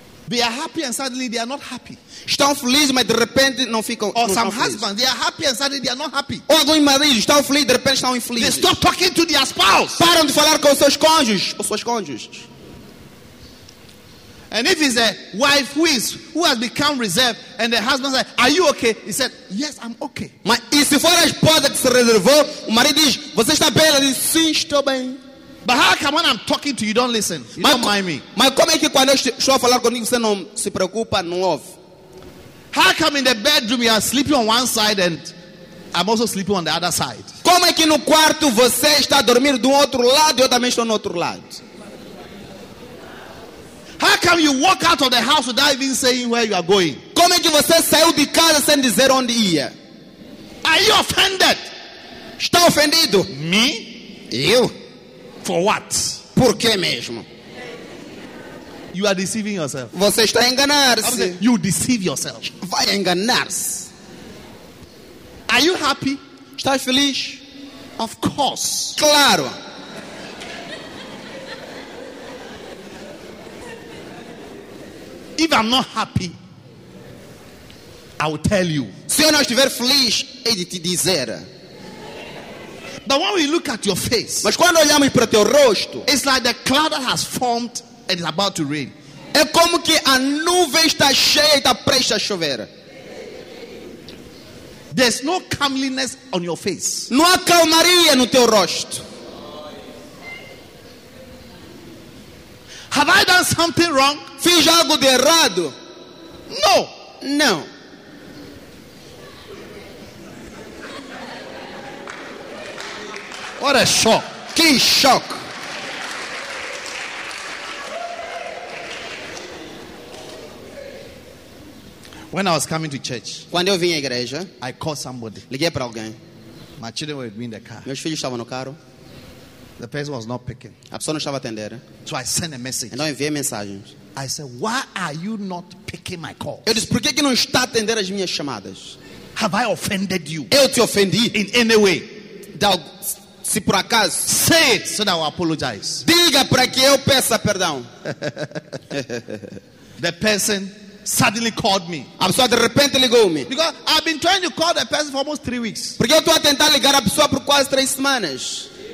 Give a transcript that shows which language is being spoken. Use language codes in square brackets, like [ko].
[en] They are happy and suddenly they are not happy. [pt] Estão felizes, mas de repente não ficam. [en] Or some husbands, they are happy and suddenly they are not happy. [pt] Ou alguns maridos estão felizes, de repente estão infelizes. [en] They stop talking to their spouse. [pt] Param de falar com seus cônjuges ou suas cônjuges. [en] And if it's a wife who has become reserved, and the husband says, "Are you okay?" He said, "Yes, I'm okay." [pt] Mas e se for a esposa que se reservou, o marido diz, "Você está bem?" Ele diz, "Sim, estou bem." [en] But how come when I'm talking to you, don't listen? You don't mind me. [pt] Mas como é que quando eu estou a falar comigo, você não se preocupa, não ouve? [en] How come in the bedroom you are sleeping on one side and I'm also sleeping on the other side? [pt] Como é que no quarto você está dormindo do outro lado e eu também estou no outro lado? [en] How come you walk out of the house without even saying where you are going? [pt] Como é que você saiu de casa sem dizer onde ia? [en] Are you offended? [pt] Está ofendido? [en] Me? [pt] Eu? [en] For what? [pt] Por que mesmo? [en] You are deceiving yourself. [pt] Você está enganando-se. [en] You deceive yourself. [pt] Vai enganar-se. [en] Are you happy? [pt] Estás feliz? [en] Of course. [pt] Claro. [en] If I'm not happy, I will tell you. [pt] Se eu não estiver feliz, é de te dizer. [en] But when we look at your face, [pt] mas quando olhamos para teu rosto, [en] it's like the cloud that has formed and is about to rain. [pt] É como que a nuvem está cheia e está prestes a chover. [en] There's no calmness on your face. [pt] Não há calmaria no teu rosto. [en] Have I done something wrong? [pt] Fiz algo de errado? [en] No. [pt] No. [en] What a shock. [pt] Que shock. [en] When I was coming to church, [pt] quando eu vim à igreja, [en] I called somebody. [pt] Liguei para alguém. [en] My children were in the car. [pt] Meus filhos estavam no carro. [en] The person was not picking. [pt] A pessoa não estava atender. [en] So I sent a message. [pt] Então enviei mensagens. [en] I said, why are you not picking my calls? [pt] Eu disse, por que não está atender as minhas chamadas? [en] Have I offended you? [pt] Eu te ofendi? [en] In any way? [pt] Se por acaso. [en] Say it so that I will apologize. [pt] Diga para que eu peça perdão. [en] The person suddenly called me. [pt] A pessoa de repente ligou-me. [en] Because I've been trying to call the person for almost 3 weeks. [pt] Porque eu estou a tentar ligar a pessoa por quase 3 semanas.